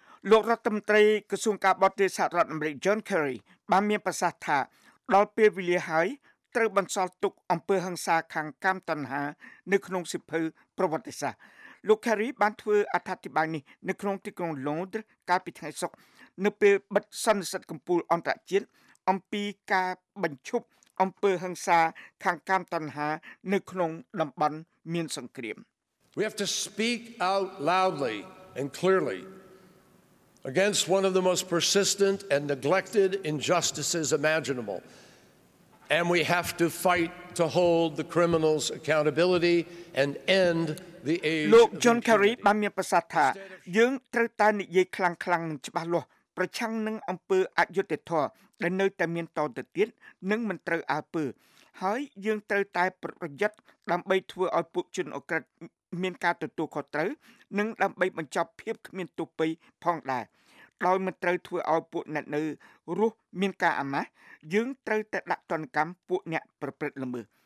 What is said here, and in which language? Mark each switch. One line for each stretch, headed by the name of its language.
Khmer: លោករដ្ឋមន្ត្រីក្រសួងការបរទេសសហរដ្ឋអាមេរិក John Kerry បានមានប្រសាសន៍ថាដល់ពេលវេលាហើយត្រូវបន្សល់ទុកអំពើហិង្សាខាងកាមតណ្ហានៅក្នុងសិភើប្រវត្តិសាស្ត្រលោក Kerry បានធ្វើអត្ថាធិប្បាយនេះនៅក្នុងទីក្រុង Londres កាលពីថ្ងៃសុក្រនៅពេលបិទសន្និសីទកំពូលអន្តរជាតិអំពីការបញ្ឈប់អំពើហិង្សាខាងកាមតណ្ហានៅក្នុងតំបន់មានសង្គ្រាម
English: We have to speak out loudly and clearly against one of the most persistent and neglected injustices imaginable and we have to fight to hold the criminals accountability and end the age
Khmer: លោក John Kerry បានមានប្រសាសន៍ថាយើងត្រូវតែនិយាយខ្លាំងខ្លាំងនឹងច្បាស់លាស់ប្រឆាំងនឹងអំពើអយុត្តិធម៌ដែលនៅតែមានតទៅទៀតនិងមិនត្រូវអើពើហើយយើងត្រូវតែប្រយុទ្ធដើម្បីធ្វើឲ្យពួកជនអក្រិតមានការទទួលខុសត្រូវនិងដើម្បីបញ្ចប់ភាពគ្មានទុបីផងដែរដោយមិនត្រូវធ្វើឲ្យពួកអ្នកនៅរស់មានការអាម៉ាស់យើងត្រូវតែដាក់ទណ្ឌកម្មពួកអ្នកប្រព្រឹត្តល្មើស